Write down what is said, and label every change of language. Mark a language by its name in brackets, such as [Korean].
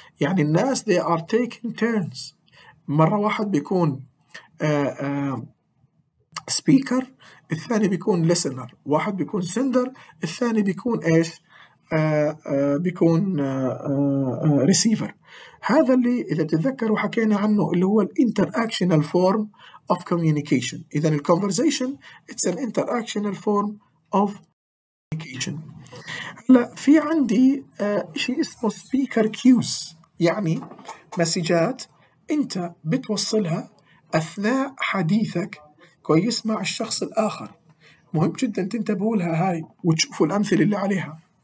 [Arabic] يعني الناس [English] they are taking turns، [Arabic] مرة واحد بيكون speaker، الثاني بيكون listener، واحد بيكون sender، الثاني بيكون إيش؟ بيكون receiver. هذا اللي إذا تتذكروا حكينا عنه اللي هو interactional form of communication. [English] إذن conversation it's an interactional form of communication. [Arabic] هلا في عندي شيء اسمه speaker cues، يعني مسجات أنت بتوصلها أثناء حديثك كويس مع الشخص الآخر. مهم جدا تنتبهوا لها هاي وتشوفوا الأمثلة اللي عليها.